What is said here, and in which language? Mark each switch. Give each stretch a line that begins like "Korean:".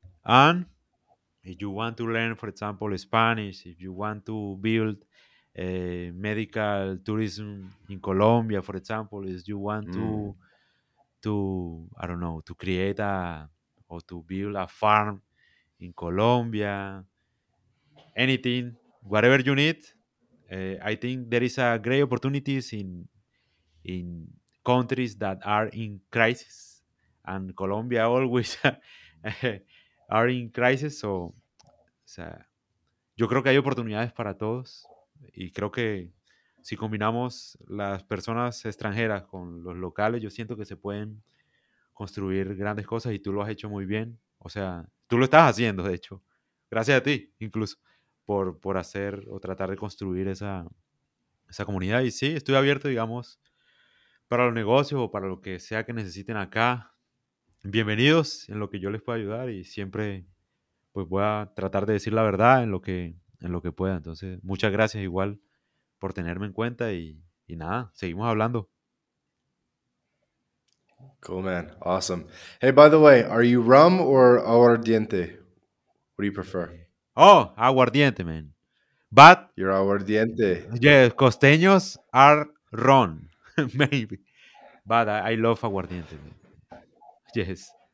English: And if you want to learn, for example, Spanish, if you want to build medical tourism in Colombia, for example, if you want to create or build a farm in Colombia, anything, whatever you need, I think there is a great opportunities in countries that are in crisis, and Colombia always are in crisis.
Spanish: So, o sea, yo creo que hay oportunidades para todos, y creo que si combinamos las personas extranjeras con los locales, yo siento que se pueden construir grandes cosas, y tú lo has hecho muy bien. O sea, tú lo estás haciendo, de hecho. Gracias a ti, incluso, por hacer o tratar de construir esa comunidad. Y sí, estoy abierto, digamos, para los negocios o para lo que sea que necesiten acá. Bienvenidos en lo que yo les pueda ayudar, y siempre pues voy a tratar de decir la verdad en lo que pueda. Entonces, muchas gracias igual por tenerme en cuenta, y nada, seguimos hablando.
English: Cool, man. Awesome. Hey, by the way, are you rum or aguardiente? What do you prefer? Oh, aguardiente, man. But you're aguardiente. Yeah, costeños are ron, maybe. But I love aguardiente, man. Yes.